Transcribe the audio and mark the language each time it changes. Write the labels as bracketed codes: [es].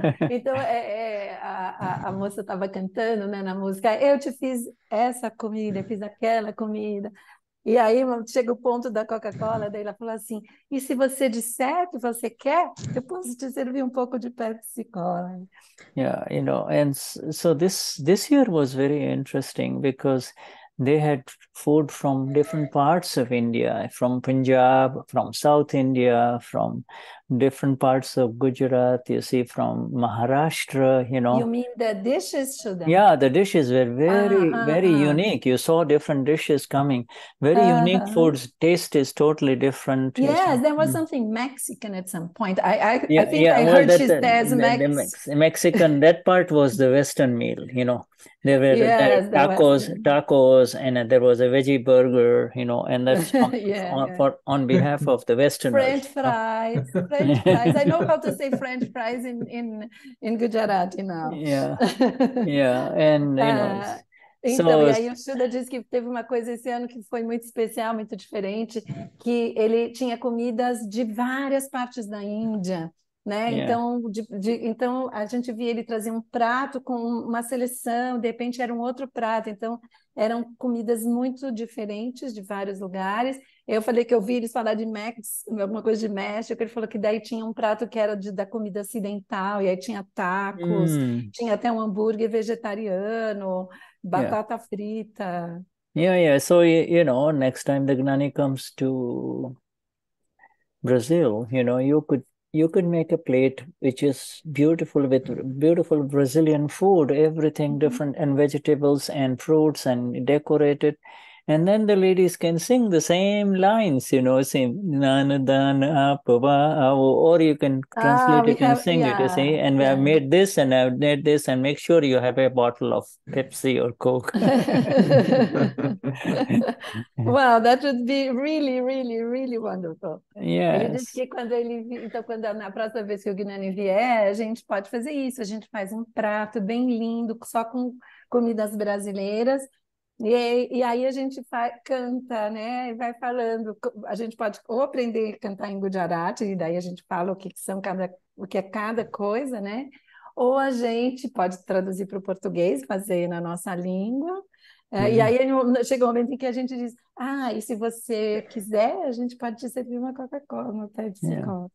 [pt] Então, a moça estava cantando, né, na música, eu te fiz essa comida, fiz aquela comida. E aí chega o ponto da Coca-Cola, daí ela falou assim, e se você disser que você quer, eu posso te servir um pouco de Pepsi-Cola. [en] Yeah, you know, and so this year was very interesting because they had food from different parts of India, from Punjab, from South India, from different parts of Gujarat, you see, from Maharashtra, you know. You mean the dishes, Shuddha? Yeah, the dishes were very, very unique. You saw different dishes coming. Very unique foods. Taste is totally different. Yeah, there was something Mexican at some point. I think I heard she says Mexican. That part was the Western meal, you know. There were tacos, and there was a veggie burger, you know, and that's on behalf of the Westerners. French fries. I know how to say French fries in Gujarati now. Yeah, yeah, and you know. [pt] Então, e aí o Shuddha disse que teve uma coisa esse ano que foi muito especial, muito diferente, que ele tinha comidas de várias partes da Índia. Né? Yeah. Então a gente via ele trazer um prato com uma seleção, de repente era um outro prato, então eram comidas muito diferentes de vários lugares. Eu falei que eu vi eles falar de alguma coisa de México, ele falou que daí tinha um prato que era da comida ocidental, e aí tinha tacos, tinha até um hambúrguer vegetariano, batata frita. [en] Yeah. So, you know, next time the Gnani comes to Brazil, you know, you could make a plate which is beautiful with beautiful Brazilian food, everything different, and vegetables and fruits, and decorate it. And then the ladies can sing the same lines, you know, or you can translate it and sing it, you see. And I've made this and I've made this, and make sure you have a bottle of Pepsi or Coke. Wow, that would be really, really, really wonderful. Yes. [pt] Ele disse que quando na próxima vez que o Gnani vier, a gente pode fazer isso. A gente faz um prato bem lindo, só com comidas brasileiras. E aí a gente canta, né, e vai falando, a gente pode ou aprender a cantar em Gujarati, e daí a gente fala o que é cada coisa, né, ou a gente pode traduzir para o português, fazer na nossa língua, e aí chega um momento em que a gente diz, e se você quiser, a gente pode te servir uma Coca-Cola, uma Pepsi-Cola.